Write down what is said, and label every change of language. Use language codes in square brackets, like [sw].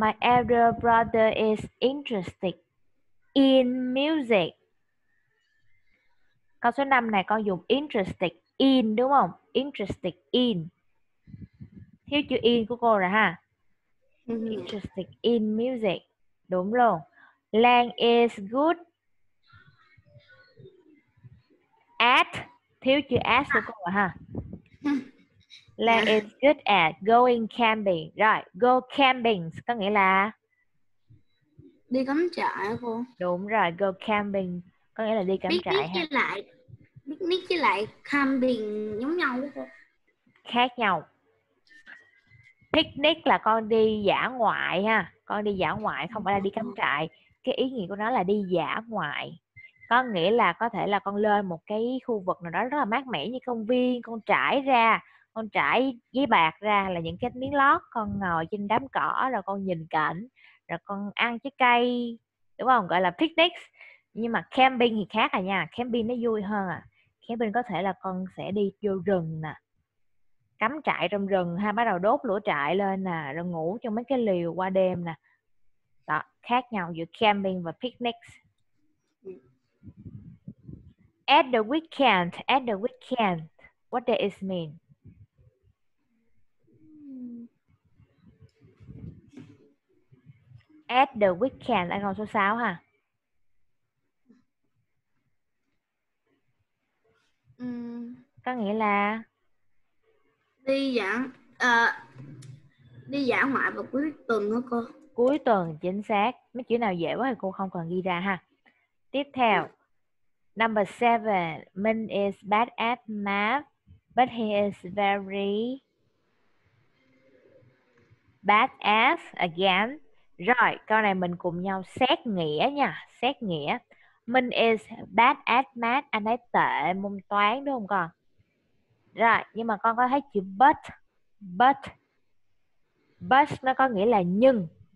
[en] My elder brother is interested in music. [vi] Câu số 5 này con dùng interested in đúng không? Interested in. Thiếu chữ in của cô rồi ha. [en] Interested in music. [vi] Đúng luôn. [en] Lang is good [vi] at, thiếu chữ s của cô rồi ha. [en] Lan is good at going camping. [vi] Rồi, go camping có nghĩa là đi cắm trại cô. Đúng rồi, go camping có nghĩa là đi cắm trại ha. Picnic với lại camping giống nhau không? Khác nhau. Picnic là con đi dã ngoại ha, con đi dã ngoại không phải là đi cắm trại. Cái ý nghĩa của nó là đi dã ngoại, có nghĩa là có thể là con lên một cái khu vực nào đó rất là mát mẻ như công viên, con trải ra, con trải giấy bạc ra là những cái miếng lót, con ngồi trên đám cỏ rồi con nhìn cảnh, rồi con ăn trái cây, đúng không? Gọi là picnic. Nhưng mà camping thì khác à nha, camping nó vui hơn à. Camping có thể là con sẽ đi vô rừng nè, cắm trại trong rừng ha, bắt đầu đốt lửa trại lên nè, rồi ngủ trong mấy cái lều qua đêm nè. Đó, khác nhau giữa camping và picnic. [en] At the weekend, at the weekend, what does it mean? At the weekend, [vi] anh còn số 6 ha. Có nghĩa là đi dã ngoại vào cuối tuần đó cô. Cuối tuần, chính xác. Mấy chữ nào dễ quá thì cô không cần ghi ra ha. Tiếp theo, [en] number 7, Minh is bad at math, but he is very bad at again. [vi] Rồi, câu này mình cùng nhau xét nghĩa nha, xét nghĩa. [en] Minh is bad at math, [vi] anh ấy tệ môn toán đúng không con? Rồi, nhưng mà con có thấy chữ but nó có nghĩa là nhưng.